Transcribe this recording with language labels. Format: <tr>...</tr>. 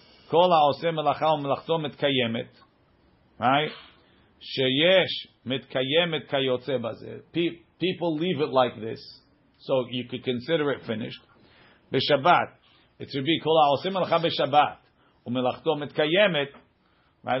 <he>כל העושה מלאכה ומלאכתו מתקיימת, right? שיש מתקיימת כיוצא בזה.</he> <en>People leave it like this, so you could consider it finished.</en> <he>בשבת,</he> <en>it should be</en> <he>כל העושה מלאכה בשבת, ומלאכתו מתקיימת, right?</he>